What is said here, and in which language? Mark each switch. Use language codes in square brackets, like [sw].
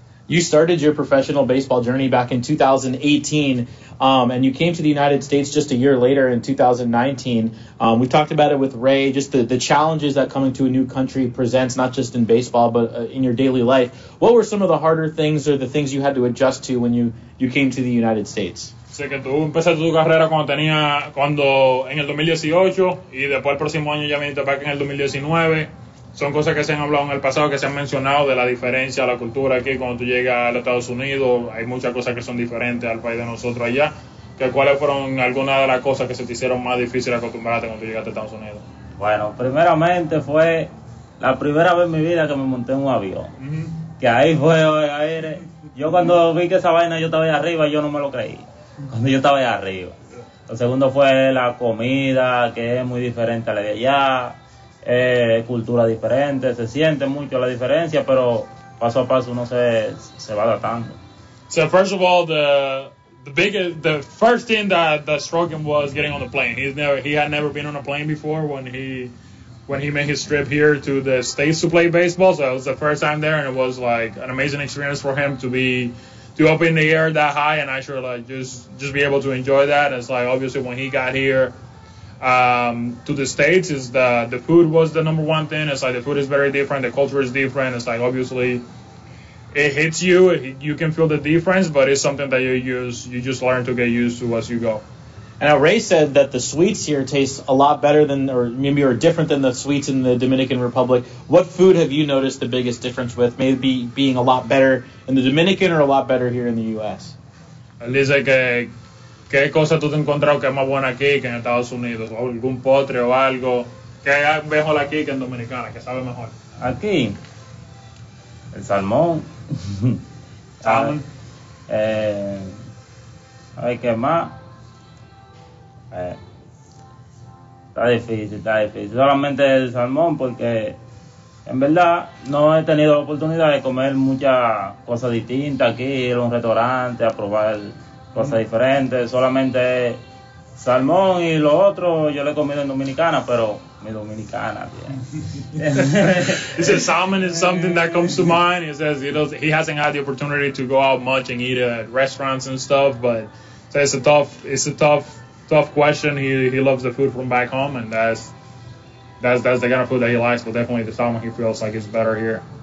[en] You started your professional baseball journey back in 2018, and you came to the United States just a year later in 2019. We talked about it with Ray, just the challenges that coming to a new country presents, not just in baseball, but in your daily life. What were some of the harder things or the things you had to adjust to when you came to the United States? [es] Sé que tú empezaste tu carrera cuando en el 2018 y después el próximo año ya viniste para acá en el 2019. Son cosas que se han hablado en el pasado, que se han mencionado de la diferencia, la cultura aquí cuando tú llegas a los Estados Unidos. Hay muchas cosas que son diferentes al país de nosotros allá. Que ¿cuáles fueron algunas de las cosas que se te hicieron más difícil acostumbrarte cuando tú llegaste a Estados Unidos? Bueno, primeramente fue la primera vez en mi vida que me monté en un avión. Uh-huh. Que ahí fue el aire. Yo cuando vi que esa vaina yo estaba ahí arriba, yo no me lo creí. Cuando yo estaba ahí arriba. Lo segundo fue la comida, que es muy diferente a la de allá. Cultura diferente, se siente mucho la diferencia, pero paso a paso uno se va adaptando. [en] So first of all, the first thing that struck him was getting on the plane. He had never been on a plane before when he made his trip here to the States to play baseball. So it was the first time there, and it was like an amazing experience for him to be up in the air that high and actually like just be able to enjoy that. It's like obviously when he got here to the States, is the food was the number one thing. It's like the food is very different, the culture is different. It's like obviously it hits you, you can feel the difference, but it's something that you just learn to get used to as you go. And now Ray said that the sweets here taste a lot better than, or maybe are different than the sweets in the Dominican Republic. What food have you noticed the biggest difference with, maybe being a lot better in the Dominican or a lot better here in the U.S.? At least like [es] ¿qué cosa tú te has encontrado que es más buena aquí que en Estados Unidos? ¿O algún postre o algo? ¿Qué hay mejor aquí que en Dominicana? ¿Qué sabe mejor? Aquí, el salmón. ¿Salmón? Hay que más. Está difícil. Solamente el salmón, porque en verdad no he tenido la oportunidad de comer muchas cosas distintas aquí, ir a un restaurante a probar cosas diferentes, solamente salmón y lo otro yo lo he comido en Dominicana, pero mi Dominicana. [en] He says salmon is something that comes to mind. He says he hasn't had the opportunity to go out much and eat at restaurants and stuff, but so it's a tough question. He loves the food from back home, and that's the kind of food that he likes, but definitely the salmon he feels like is better here.